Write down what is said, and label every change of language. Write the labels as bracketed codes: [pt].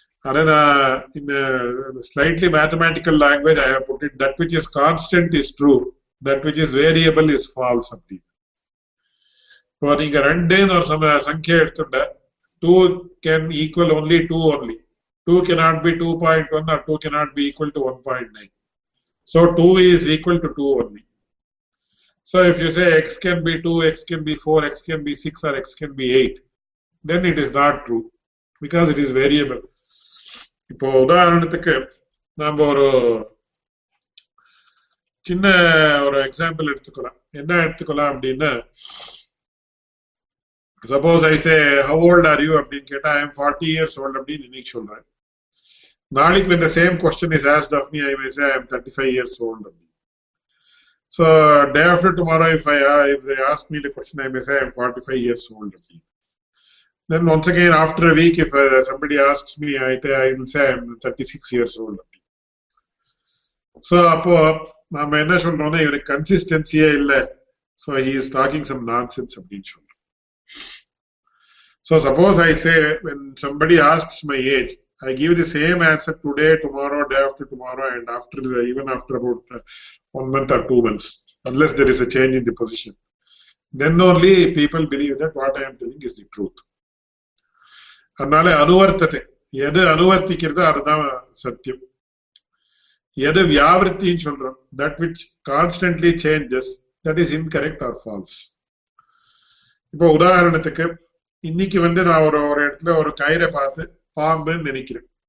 [ta] அதை நான் இந்த [en] Slightly mathematical language I have put it, that which is constant is true, that which is variable is false அப்படின்னு. [ta] இப்போ நீங்க ரெண்டேன்னு ஒரு சங்கியை எடுத்துட்ட, [en] Two can equal only two, only two cannot be two point one or two cannot be equal to one point nine. So two is equal to two only. So if you say x can be 2, x can be 4, x can be 6 or x can be 8, then it is not true because it is variable. [ta] இப்போ உதாரணத்துக்கு நாம ஒரு சின்ன ஒரு example எடுத்துக்கலாம். என்ன எடுத்துக்கலாம் அப்படின்னு, [en] suppose I say how old are you [ta] அப்படின்னு கேட்டா, [en] I am 40 years old [ta] அப்படின்னு இன்னைக்கு சொல்றேன். நாளைக்கு இந்த [en] Same question is asked of me, I may say I am 35 years old அப்படின்னு. So, day after tomorrow, if they ask me the question, I may say I am 45 years old. Then once again, after a week, if somebody asks me, I will say I am 36 years old. So, if we are not saying that there is consistency, so he is talking some nonsense. So, suppose I say, when somebody asks my age, I give the same answer today, tomorrow, day after tomorrow, and after even after about 1 month or 2 months, unless there is a change in the position. Then only people believe that what I am telling is the truth. [ta] அதனால அனுவர்த்தத்தை, எது அனுவர்த்திக்கிறது அதுதான் சத்தியம். எது வியாவர்த்தின்னு சொல்றோம், [en] That which constantly changes, that is incorrect or false. [ta] இப்போ உதாரணத்துக்கு இன்னைக்கு வந்து நான் ஒரு இடத்துல ஒரு கயிறை பார்த்து பாம்புன்னு நினைக்கிறேன்.